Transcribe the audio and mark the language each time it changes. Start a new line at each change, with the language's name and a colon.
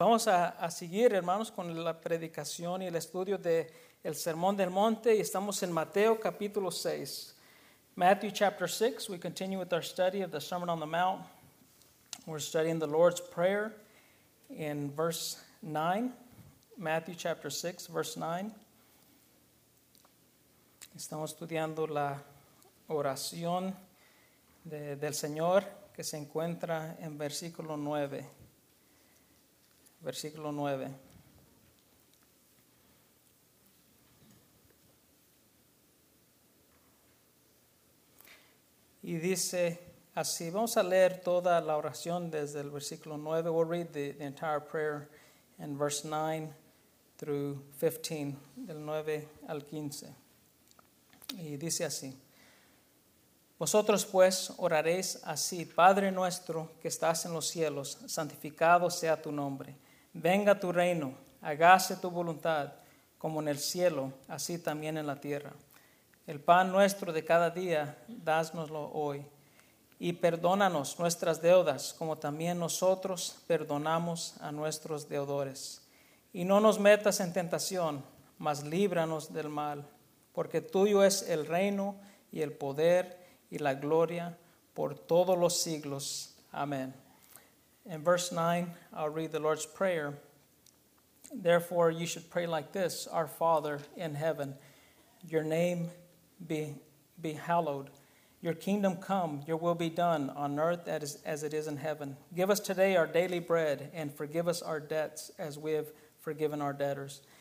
Spanish: Vamos a seguir, hermanos, con la predicación y el estudio del Sermón del Monte. Y estamos en Mateo capítulo 6.
English: Matthew chapter 6. We continue with our study of the Sermon on the Mount. We're studying the Lord's Prayer in verse 9. Matthew chapter 6, verse 9.
Spanish: Estamos estudiando la oración del Señor que se encuentra en versículo 9. Versículo 9. Y dice así, vamos a leer toda la oración desde el versículo 9.
English: We'll read the entire prayer in verse 9 through 15,
Spanish: del 9 al 15. Y dice así, vosotros pues oraréis así, Padre nuestro que estás en los cielos, santificado sea tu nombre. Venga tu reino, hágase tu voluntad, como en el cielo, así también en la tierra. El pan nuestro de cada día, dásnoslo hoy. Y perdónanos nuestras deudas, como también nosotros perdonamos a nuestros deudores. Y no nos metas en tentación, mas líbranos del mal. Porque tuyo es el reino, y el poder, y la gloria, por todos los siglos.
English: Amén. In verse 9, I'll read the Lord's Prayer. Therefore, you should pray like this, Our Father in heaven, your name be hallowed. Your kingdom come, your will be done on earth as it is in heaven. Give us today our daily bread and forgive us our debts as we have forgiven our debtors.